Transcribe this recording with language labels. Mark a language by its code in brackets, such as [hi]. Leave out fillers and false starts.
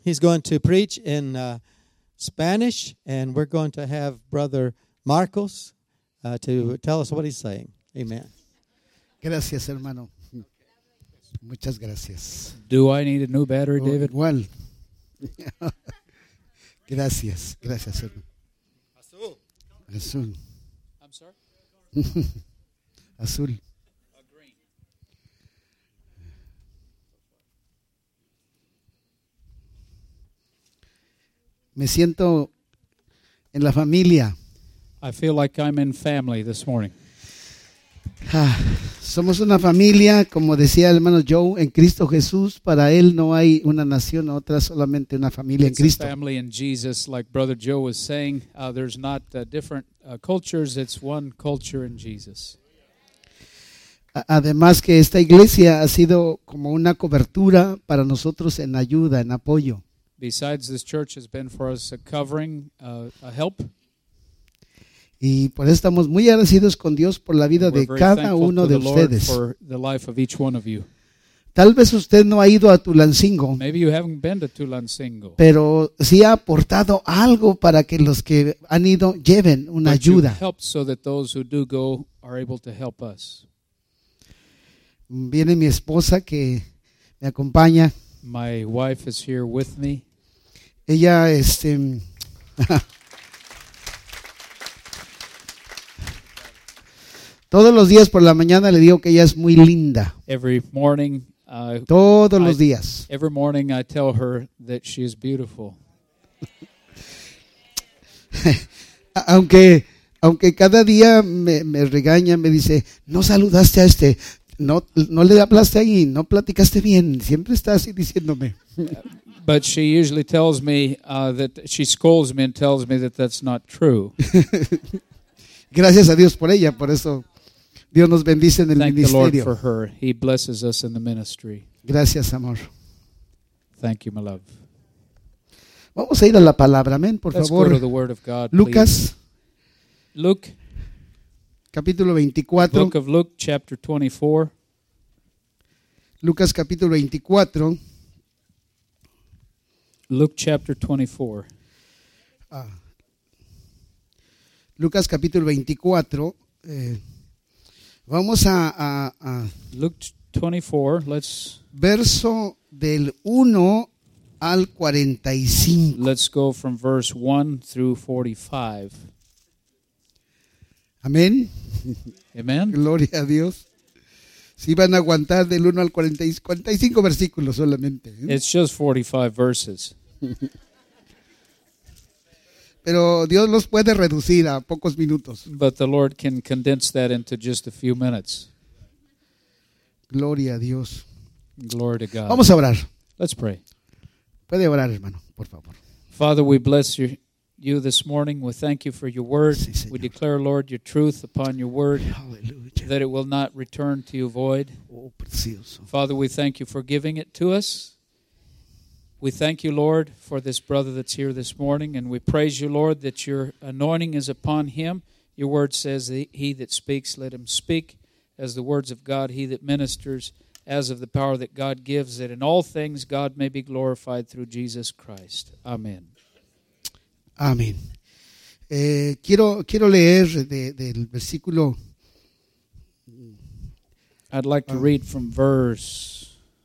[en] He's going to preach in Spanish, and we're going to have Brother Marcos to tell us what he's saying. Amen. [es] Gracias, hermano. Muchas gracias. [en] Do I need a new battery, David? [es] Well, gracias, gracias, hermano. Azul. Azul. [en] I'm sorry? [es] Azul. Me siento en la familia. [en] I feel like I'm in family this morning. [es] Somos una familia, como decía el hermano Joe, en Cristo Jesús. Para él no hay una nación o otra, solamente una familia en Cristo. [en] It's a family in Jesus, like Brother Joe was saying. There's not different cultures, it's one culture in Jesus. [es] Además que esta iglesia ha sido como una cobertura para nosotros en ayuda, en apoyo. [en] Besides, this church has been for us a covering, a help. [es] Y por eso estamos muy agradecidos con Dios por la vida de cada uno de ustedes. [en] For the life of each one of you. [es] Tal vez usted no ha ido a Tulancingo. [en] Maybe you haven't been to Tulancingo. [es] Pero sí ha aportado algo para que los que han ido lleven una [en] but [es] ayuda. [en] You've helped so that those who do go are able to help us. [es] Viene mi esposa que me acompaña. [en] My wife is here with me. [es] Ella, todos los días por la mañana le digo que ella es muy linda. [en] Every morning, [es] todos los días. [en] Every morning I tell her that she is beautiful. [es] aunque cada día me regaña, me dice, no saludaste a este. No le hablaste ahí, no platicaste bien, siempre está así diciéndome. [en] But she usually tells me that she scolds me and tells me that that's not true. [es] Gracias a Dios por ella, por eso Dios nos bendice en el [en] Thank [es] ministerio. [en] Thank the Lord for her. He blesses us in the ministry. [es] Gracias, amor. [en] Thank you, my love. [es] Vamos a ir a la palabra, amén, por [en] Let's [es] favor. [en] Go to the word of God, [es] Lucas. [en] Please. Luke. [es] Capítulo 24. [en] Book of Luke, chapter 24. [es] Lucas, capítulo 24. [en] Luke, chapter 24. [es] Lucas, capítulo 24. Vamos a... [en] Luke 24, let's... [es] Verso del 1 al 45. [en] Let's go from verse 1 through 45. [es] Amén. [en] Amen. [es] Gloria a Dios. Si van a aguantar del 1 al 45 versículos solamente. [en] It's just 45 verses. [es] Pero Dios los puede reducir a pocos minutos. [en] But the Lord can condense that into just a few minutes. [es] Gloria a Dios. [en] Glory to God. [es] Vamos a orar. [en] Let's pray. [es] Puede orar, hermano, por favor. [en] Father, we bless you. You this morning, we thank you for your word. [es] Sí, [en] we declare, Lord, your truth upon your word. Hallelujah. That it will not return to you void. [es] Oh, precioso. [en] Father, we thank you for giving it to us. We thank you, Lord, for this brother that's here this morning. And we praise you, Lord, that your anointing is upon him. Your word says, he that speaks, let him speak as the words of God. He that ministers as of the power that God gives, that in all things God may be glorified through Jesus Christ. Amen. [es] Amén. Quiero leer del versículo. [en] I'd like to read from verse.